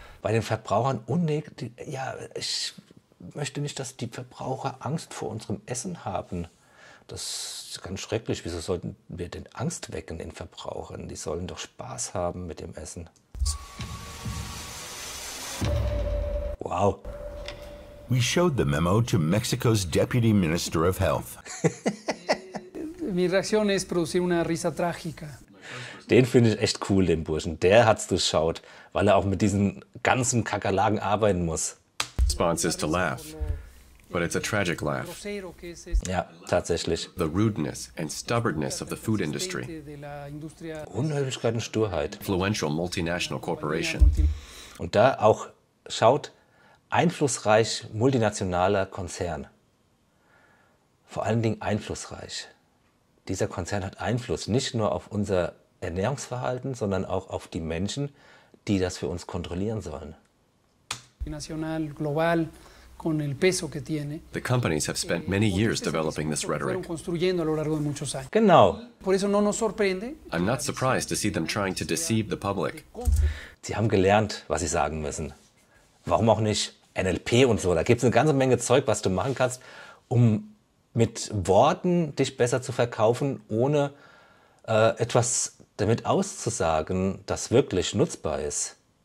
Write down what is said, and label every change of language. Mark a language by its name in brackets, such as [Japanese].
[German] Bei den Verbrauchern ja, ich möchte nicht, dass die Verbraucher Angst vor unserem Essen haben. Das ist ganz schrecklich. Wieso sollten wir denn Angst wecken in Verbrauchern? Die sollen doch Spaß haben mit dem Essen. [English] Wow. We showed the memo to Mexico's Deputy Minister of Health. [Spanish] Mi reacción es producir una risa trágica. [German] Den finde ich echt cool, den Burschen. Der hat's durchschaut, weil auch mit diesen ganzen Kakerlaken arbeiten muss. [English] Response is to laugh. But it's a tragic laugh. [German] Ja, tatsächlich. [English] The rudeness and stubbornness of the food industry. [German] Unhöflichkeit und Sturheit. [English] Influential multinational corporation. [German] Und da auch schaut einflussreich multinationaler Konzern. Vor allen Dingen einflussreich. Dieser Konzern hat Einfluss nicht nur auf unser Ernährungsverhalten, sondern auch auf die Menschen, die das für uns kontrollieren sollen. National, global. [English] The companies have spent many years developing this rhetoric. [German] Genau. [English] I'm not surprised to see them trying to deceive the public. [German] Sie haben gelernt, was sie sagen müssen. Warum auch nicht NLP und so. Da gibt es eine ganze Menge Zeug, was du machen kannst, um mit Worten dich besser zu verkaufen, ohne etwas damit auszusagen, das wirklich nutzbar ist.